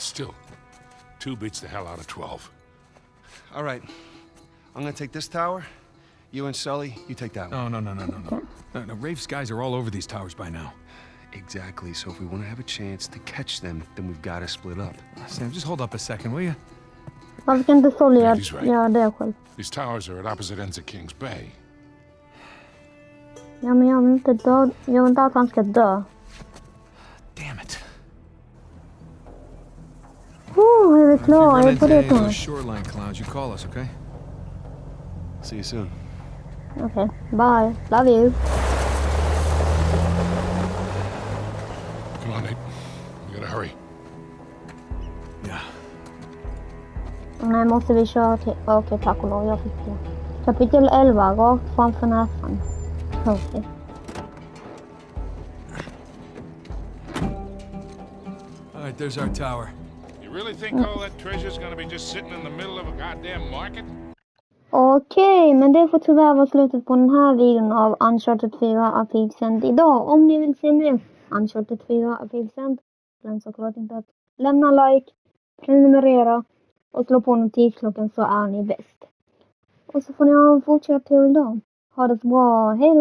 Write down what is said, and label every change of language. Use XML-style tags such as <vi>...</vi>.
<en>still, two beats the hell out of 12. All right, I'm gonna take this tower. You and Sully, you take that one. No. Rafe's guys are all over these towers by now. Exactly. So if we want to have a chance to catch them, then we've got to split up. Sam, just hold up a second, will you?</en> <sv>Varför kan inte Sully göra det själv?</sv> <en>These towers are at opposite ends of King's Bay.</en> <sv>Ja, men jag vill inte dö. Jag vill inte att han ska dö.</sv> <en>Damn it. Oh,</en> <sv>är vi klar? Jag är på det tåget.</sv> <en>Shoreline clowns, you call us, okay? See you soon. Okay, bye. Love you. Come on, Nate. We gotta hurry.</en> <sv>Nej, måste vi köra till... Okej, tack och lov, jag fick det. Kapitel 11, rakt framför näsan. Okej.</sv> <en>All right, there's our tower. You really think all that treasure's gonna be just sitting in the middle of a goddamn market?</en> <sv>Okej, men det får tyvärr vara slutet på den här videon av Uncharted 4 av Thieves End idag. Om ni vill se mer Uncharted 4 av Thieves End, glöm såklart inte att lämna like, prenumerera och slå på notisklockan så är ni bäst. Och så får ni ha en fortsatt trevlig dag. Ha det så bra. Hej då!</sv>